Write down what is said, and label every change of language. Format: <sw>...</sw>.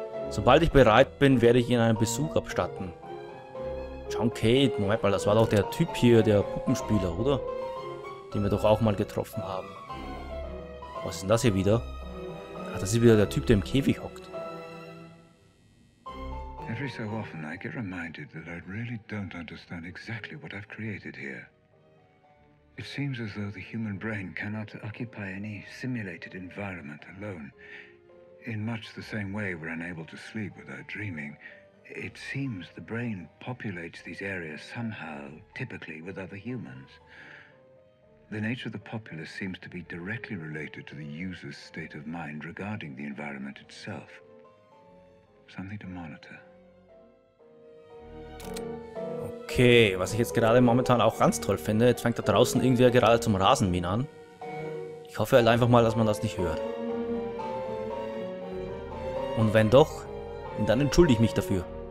<de>Sobald ich bereit bin, werde ich ihn einen Besuch abstatten. John Kay, Moment mal, das war doch der Typ hier, der Puppenspieler, oder? Den wir doch auch mal getroffen haben. Was ist denn das hier wieder? Ach, das ist wieder der Typ, der im Käfig hockt.</de> <en>Every so often I get reminded that I really don't understand exactly what I've created here. It seems as though the human brain cannot occupy any simulated environment alone. In much the same way we're unable to sleep without dreaming, it seems the brain populates these areas somehow, typically with other humans. The nature of the populace seems to be directly related to the user's state of mind regarding the environment itself. Something to monitor.</en> <de>Okay, was ich jetzt gerade momentan auch ganz toll finde, jetzt fängt da draußen irgendwer gerade zum Rasenmähen an. Ich hoffe halt einfach mal, dass man das nicht hört. Und wenn doch, dann entschuldige ich mich dafür.</de>